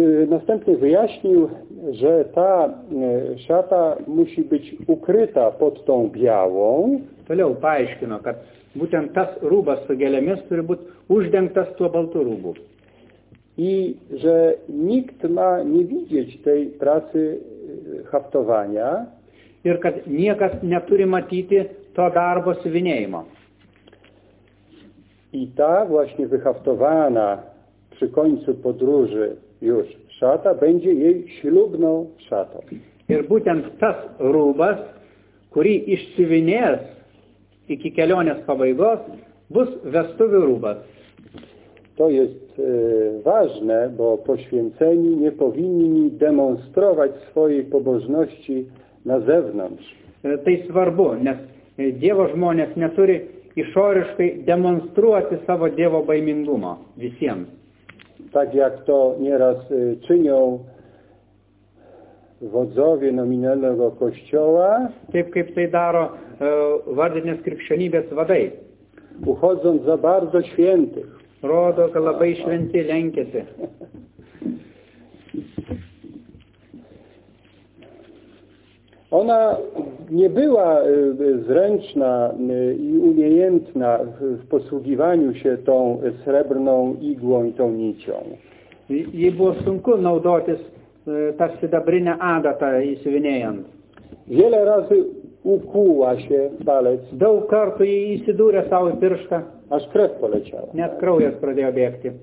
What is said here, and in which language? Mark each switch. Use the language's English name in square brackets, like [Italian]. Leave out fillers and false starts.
[Polish] Następnie wyjaśnił, że ta szata musi być ukryta pod tą białą. [Lithuanian] Toliau paaiškino, kad būtent tas rūbas su gėlėmis turi būti uždengtas tuo baltu rūbu. [Polish] I że nikt ma nie widzieć tej pracy haftowania. [Lithuanian] Ir kad niekas neturi matyti to darbo siuvinėjimo. [Polish] I ta właśnie wyhaftowana przy końcu podróży już szata będzie jej ślubną szatą. [Lithuanian] Ir būtent tas rūbas, kurį išsiuvinės iki kelionės pabaigos, bus vestuvių rūbas. [Polish] To jest ważne, bo poświęceni nie powinni demonstrować swojej pobożności na zewnątrz. [Lithuanian] Tai svarbu, nes Dievo žmonės neturi išoriškai demonstruoti savo Dievo baimingumo visiems. [Polish] Tak jak to nieraz czynią wodzowie nominalnego kościoła. [Lithuanian] Taip kaip tai daro vardinės krikščionybės vadai. [Polish] Uchodząc za bardzo świętych. [Lithuanian] Rodo, kad labai šventi lenkėsi. [Polish] Ona nie była zręczna i umiejętna w posługiwaniu się tą srebrną igłą i tą nicią. Jej było [Lithuanian] sunku naudotis ta [Polish] srebrna [Lithuanian] adata i siuvinėjant. [Polish] Wiele razy ukuła się palec. [Lithuanian] Daug kartu jej įsidūrė savo pirštą. [Polish] Aż krew poleciała. [Lithuanian] Net kraujas pradėjo bėgti.